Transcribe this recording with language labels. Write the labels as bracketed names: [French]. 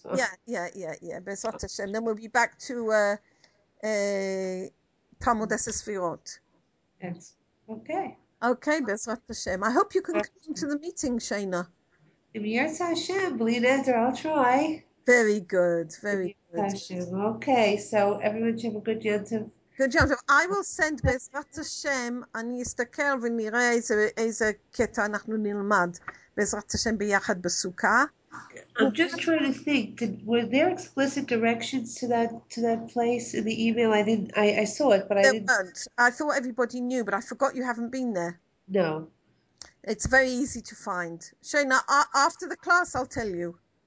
[English] So. Yeah. Be'ezrat Hashem. Then we'll be back to Talmud Es Sefirot. Yes. Okay. Okay, Be'ezrat Hashem. I hope you can come to the meeting, Shaina. Be'ezrat Hashem. Believe it or I'll try. Very good. Okay, so everyone should have a good Yom Tov. Good job. I will send [Hebrew] Be'ezrat Hashem, אני אסתכל ונראה איזה קטע אנחנו נלמד בעזרת השם ביחד בסוכה. [English] I'm just trying to think, were there explicit directions to that place in the email? I saw it, but I didn't. Weren't. I thought everybody knew, but I forgot you haven't been there. No. It's very easy to find. Shaina, after the class, I'll tell you.